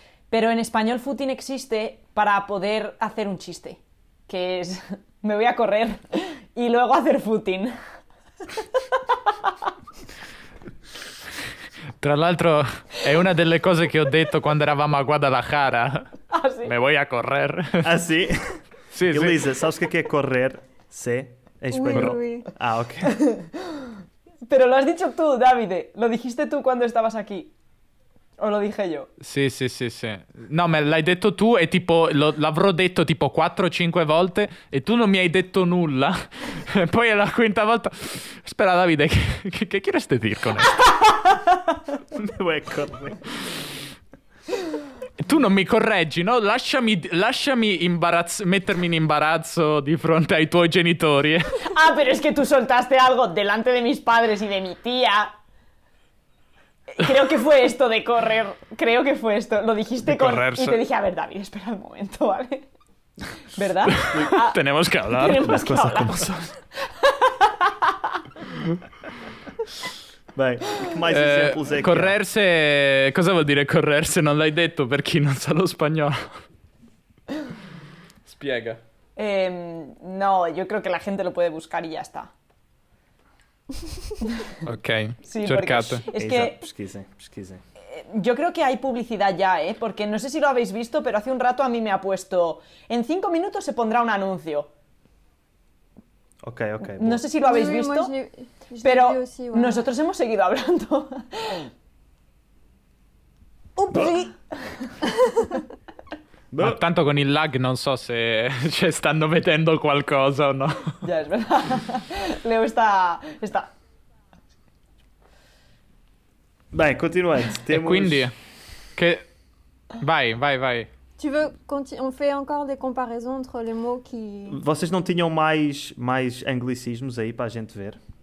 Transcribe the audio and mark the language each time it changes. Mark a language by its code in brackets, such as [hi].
[es] Pero en español, footing existe para poder hacer un chiste. Que es, me voy a correr y luego hacer footing. [it] Tra l'altro, è una delle cose che ho detto quando eravamo a Guadalajara. Ah, sì. [es] Me voy a correr. [it] Ah, sì? Sì, sì. Elisa, sabes che è correr? Sì, è spagnolo. [fr] Oui, oui. [it] Ah, ok. [es] Pero lo has dicho tú, Davide. Lo dijiste tú cuando estabas aquí. O lo dije yo. [it] Sì, sì, sì, sì. No, ma l'hai detto tu e tipo l'avrò detto tipo 4-5 volte e tu non mi hai detto nulla. E poi è la quinta volta. Spera, Davide, che chiereste dire con questo? Tu non mi correggi, no? Lasciami mettermi in imbarazzo di fronte ai tuoi genitori. [es] Ah, però es que tu soltaste algo delante de mis padres y de mi tía. Creo que fue esto de correr, creo que fue esto, lo dijiste con... Correrse. Y te dije, a ver, David, espera un momento, ¿vale? ¿Verdad? Tenemos que hablar. Tenemos que hablar. Como son. Bien, ¿qué más ejemplos hay? [it] Correrse, ¿cosa vuol dire correrse? Non l'hai detto per chi non sa lo spagnolo. Spiega. [es] No, yo creo que la gente lo puede buscar y ya está. [it] Ok, sí, cercate. [es] Es que, [pt] pesquise. [es] Yo creo que hay publicidad ya, ¿eh? Porque no sé si lo habéis visto, pero hace un rato a mí me ha puesto. En 5 minutos se pondrá un anuncio. Ok. No sé si lo habéis visto, pero nosotros hemos seguido hablando. Upsi. [it] Ma tanto con il lag non so se ci stanno mettendo qualcosa o no. Già, yes, è vero. Leo sta. Beh, continuiamo. Temos... E quindi, che... Vai. [fr] Tu veux on fait encore des comparaisons entre les mots qui... [pt] Vocês não tinham mais anglicismos aí para a gente ver?